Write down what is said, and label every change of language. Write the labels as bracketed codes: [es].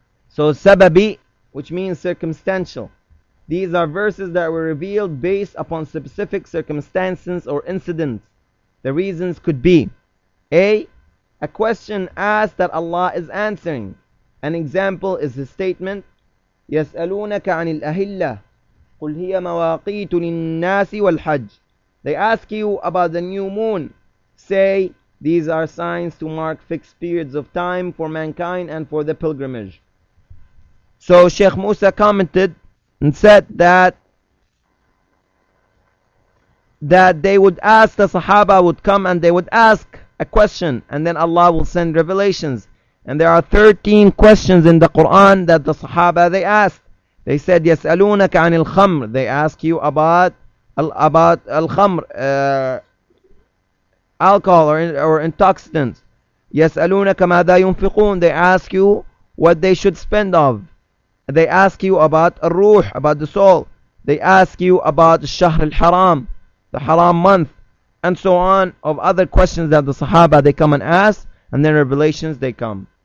[en] So sababi, which means circumstantial. These are verses that were revealed based upon specific circumstances or incidents. The reasons could be a question asked that Allah is answering. An example is His statement, [ar] يسألونك عن الأهلة قل هي مواقيت للناس والحج. [en] They ask you about the new moon. Say, these are signs to mark fixed periods of time for mankind and for the pilgrimage. So Sheikh Musa commented and said that they would ask, the Sahaba would come and they would ask a question and then Allah will send revelations. And there are 13 questions in the Quran that the Sahaba, they asked. They said, [ar] يَسْأَلُونَكَ عَنِ الْخَمْرِ. [en] They ask you about الخمر, alcohol or intoxicants. [ar] يَسْأَلُونَكَ مَاذَا يُنْفِقُونَ. [en] They ask you what they should spend of. They ask you about الروح, about the soul. They ask you about الشهر الحرام, the haram month, and so on, of other questions that the Sahaba, they come and ask, and then revelations, they come.